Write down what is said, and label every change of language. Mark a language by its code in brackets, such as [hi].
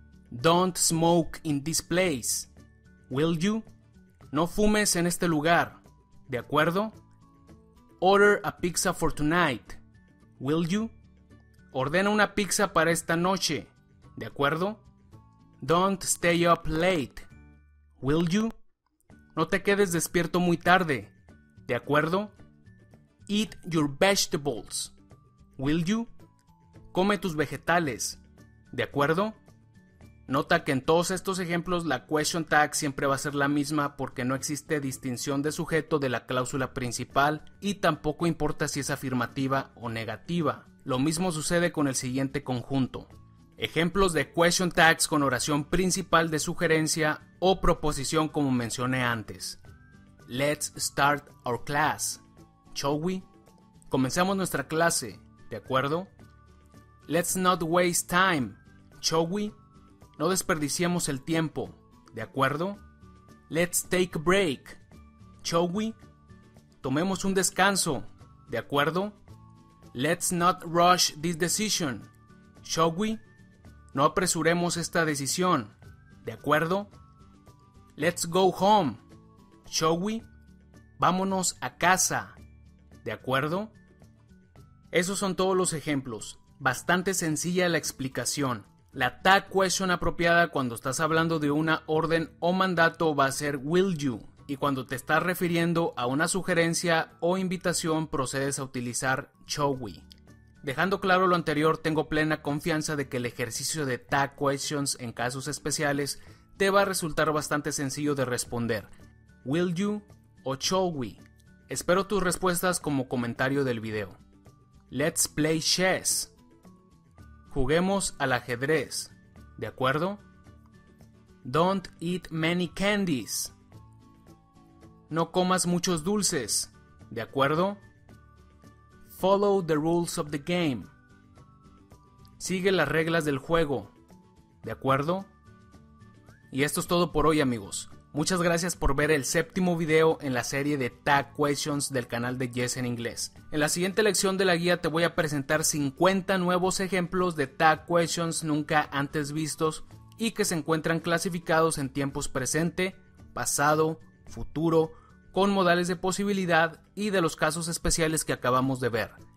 [en] Don't smoke in this place. Will you? [es] No fumes en este lugar. ¿De acuerdo? [en] Order a pizza for tonight. Will you? [es] Ordena una pizza para esta noche. ¿De acuerdo? [en] Don't stay up late. Will you? [es] No te quedes despierto muy tarde. ¿De acuerdo? [en] Eat your vegetables. Will you? [es] Come tus vegetales. ¿De acuerdo? Nota que en todos estos ejemplos la question tag siempre va a ser la misma porque no existe distinción de sujeto de la cláusula principal y tampoco importa si es afirmativa o negativa. Lo mismo sucede con el siguiente conjunto. Ejemplos de question tags con oración principal de sugerencia o proposición como mencioné antes. [en] Let's start our class, shall we? [es] Comencemos nuestra clase, ¿de acuerdo? [en] Let's not waste time, shall we? [es] No desperdiciemos el tiempo, ¿de acuerdo? [en] Let's take a break, shall we? [es] Tomemos un descanso, ¿de acuerdo? [en] Let's not rush this decision, shall we? [es] No apresuremos esta decisión, ¿de acuerdo? [en] Let's go home, shall we? [es] Vámonos a casa, ¿de acuerdo? Esos son todos los ejemplos. Bastante sencilla la explicación. La tag question apropiada cuando estás hablando de una orden o mandato va a ser will you, y cuando te estás refiriendo a una sugerencia o invitación procedes a utilizar shall we. Dejando claro lo anterior, tengo plena confianza de que el ejercicio de tag questions en casos especiales te va a resultar bastante sencillo de responder. ¿Will you o shall we? Espero tus respuestas como comentario del video. [en] Let's play chess. [es] Juguemos al ajedrez. ¿De acuerdo? [en] Don't eat many candies. [es] No comas muchos dulces. ¿De acuerdo? [en] Follow the rules of the game. [es] Sigue las reglas del juego. ¿De acuerdo? Y esto es todo por hoy, amigos. Muchas gracias por ver el séptimo video en la serie de Tag Questions del canal de Yes en Inglés. En la siguiente lección de la guía te voy a presentar 50 nuevos ejemplos de Tag Questions nunca antes vistos y que se encuentran clasificados en tiempos presente, pasado, futuro, con modales de posibilidad y de los casos especiales que acabamos de ver.